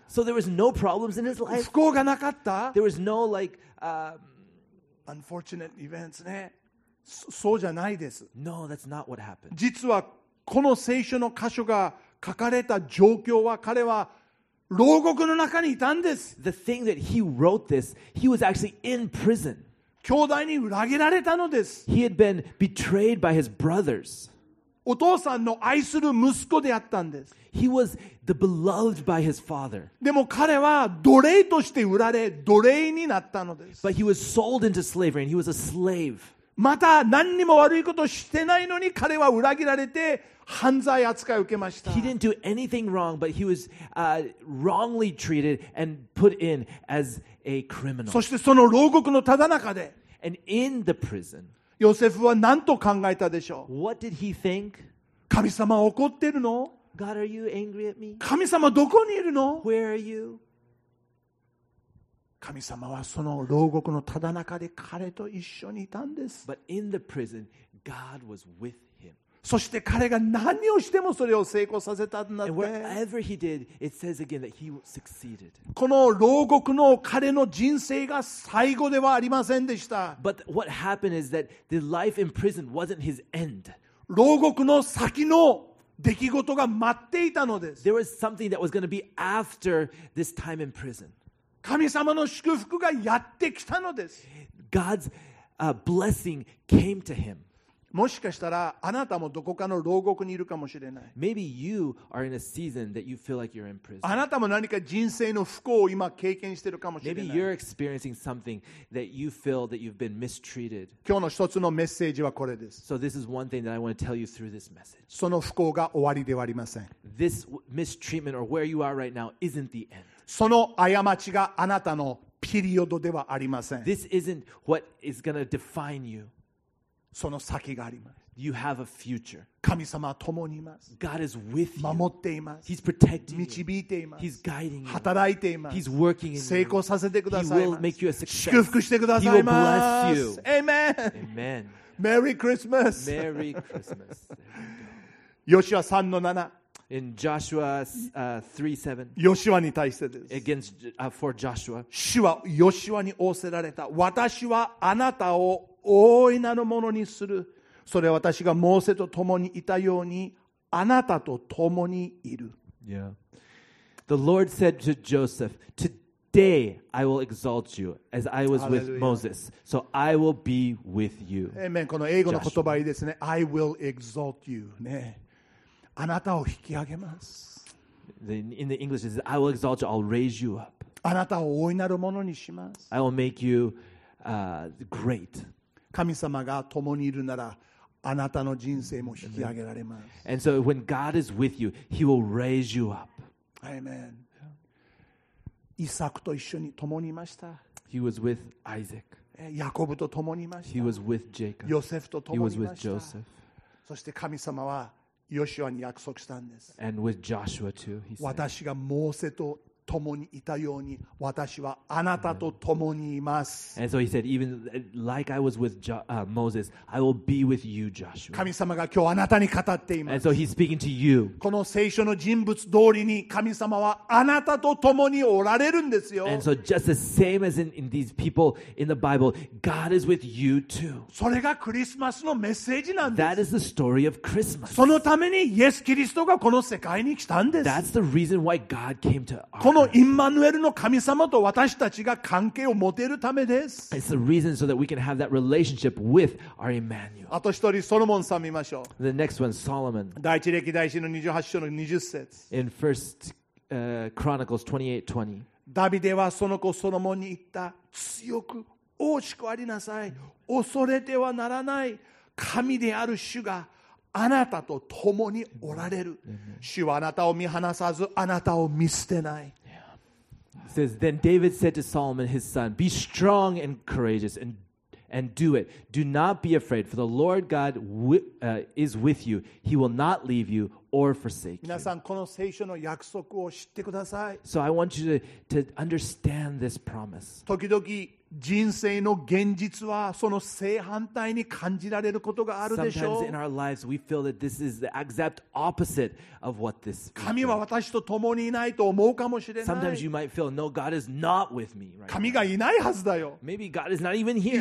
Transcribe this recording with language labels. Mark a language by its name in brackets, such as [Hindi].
[English] So there was no problems in his life. [Japanese] 不幸がなかった。 [English] There was no like unfortunate events [Japanese] ね。そうじゃないです。 [English] No, that's not what happened. [Japanese] 実はこの聖書の箇所が書かれた状況は彼は牢獄の中にいたんです。 [English] The thing that he wrote this, he was actually in prison. [Japanese] 兄弟に裏切られたのです。 [English] He had been betrayed by his brothers. [Japanese] お父さんの愛する息子であったんです。 [English] He was the beloved by his father. [Japanese] でも彼は奴隷として売られ、奴隷になったのです。 [English] But he was sold into slavery and he was a slave. [Japanese] また何にも悪いことしてないのに彼は裏切られて犯罪扱いを受けました。 [English] He didn't do anything wrong, but he was wrongly treated and put in as a criminal. [Japanese] そしてその牢獄のただ中で、 [English] And in the prison, [Japanese] ヨセフは何と考えたでしょう。 [English] What did he think? [Japanese] 神様怒ってるの? [English] God, are you angry at me? [Japanese] 神様どこにいるの? [English] Where are you? [Japanese] 神様はその牢獄のただ中で彼と一緒にいたんです。 [English] But in the prison, God was with him. [Japanese] そして彼が何をしてもそれを成功させたんだって。 [English] And wherever he did, it says again that he succeeded. [Japanese] この牢獄の彼の人生が最後ではありませんでした。 [English] But what happened is that the life in prison wasn't his end. [Japanese] 牢獄の先の出来事が待っていたのです。 [English] There was something that was going to be after this time in prison. [Japanese] 神様の祝福がやってきたのです。 [English] God's blessing came to him. [Japanese] もしかしたらあなたもどこかの牢獄にいるかもしれない。 [English] Maybe you are in a season that you feel like you're in prison. [Japanese] あなたも何か人生の不幸を今経験しているかもしれない。 [English] Maybe you're experiencing something that you feel that you've been mistreated. [Japanese] 今日の一つのメッセージはこれです。 [English] So this is one thing that I want to tell you through this message. [Japanese] その不幸が終わりではありません。 [English] This mistreatment or where you are right now isn't the end. [Japanese] その過ちがあなたのピリオドではありません。 [English] This isn't what is going to define you. [Japanese] その先があります。 [English] You have a future. [Japanese] 神様は共にいます。 [English] God is with you. [Japanese] 守っています。 [English] He's protecting you. [Japanese] 導いています。 [English] He's guiding you. [Japanese] 働いています。 [English] He's working in you. [Japanese] 成功させてください。 [English] He will make you a success. [Japanese] 祝福してください。 [English] He will bless you. Amen. Amen. Merry Christmas. Merry Christmas. [Japanese] ヨシュア 3-7. [English] In Joshua 3:7, [Japanese] ヨシュアに対してです。 [English] Against for Joshua, [Japanese] 主はヨシュアに仰せられた。私はあなたを大いなるものにする。それは私がモーセと共にいたようにあなたと共にいる。 [English] Yeah. The Lord said to Joseph, Today I will exalt you as I was with Moses. So I will be with you. Amen. [Japanese] この英語の言葉いいですね。 [English] I will exalt you. ね。 [Japanese] あなたを引き上げます。 [English] In the English it says, I will exalt you, I'll raise you up. [Japanese] あなたを大いなるものにします。 [English] I will make you great. [Japanese] 神様が共にいるなら、あなたの人生も引き上げられます。 [English] And so when God is with you, he will raise you up. Amen. [Japanese] イサクと一緒に共にいました。 [English] He was with Isaac. [Japanese] ヤコブと共にいました。 [English] He was with Jacob. [Japanese] ヨセフと共にいました。 [English] He was with Joseph. [Japanese] そして神様はヨシュアに約束したんです。 [English] And with Joshua too, he said. [Japanese] 私がモーセと共にいたように私はあなたと共にいます。 [English] And so he said, even like I was with Moses, I will be with you, Joshua. [Japanese] 神様が今日あなたに語っています。 [English] And so he's speaking to you. [Japanese] この聖書の人物通りに神様はあなたと共におられるんですよ。 [English] And so just the same as in these people in the Bible, God is with you too. [Japanese] それがクリスマスのメッセージなんです。 [English] That is the story of Christmas. [Japanese] そのためにイエス・キリストがこの世界に来たんです。 [English] That's the reason why God came to earth. [Japanese] このインマヌエルの神様と私たちが関係を持てるためです。 [English] It's the reason so that we can have that relationship with our Emmanuel. [Japanese] あと一人ソロモンさん見ましょう。 [English] The next one, Solomon. [Japanese] 第一歴代史の28章の20節。 [English] In First Chronicles 28:20. [Japanese] ダビデはその子ソロモンに言った。強く、大きくありなさい。恐れてはならない。神である主が。あなたと共におられる。主はあなたを見放さず、あなたを見捨てない。 [English] It says, Then David said to Solomon his son, Be strong and courageous and do it. Do not be afraid, for the Lord God is with you. He will not leave you or forsake you. [Japanese] 皆さん、この聖書の約束を知ってください。 [English] So I want you to understand this promise. [Japanese] 時々人生の現実はその正反対に感じられることがあるでしょう。 [English] Sometimes in our lives we feel that this is the exact opposite of what this is. [Japanese] 神は私と共にいないと思うかもしれない。 [English] Sometimes you might feel, no, God is not with me. Right? [Japanese] 神がいないはずだよ。 [English] Maybe God is not even here.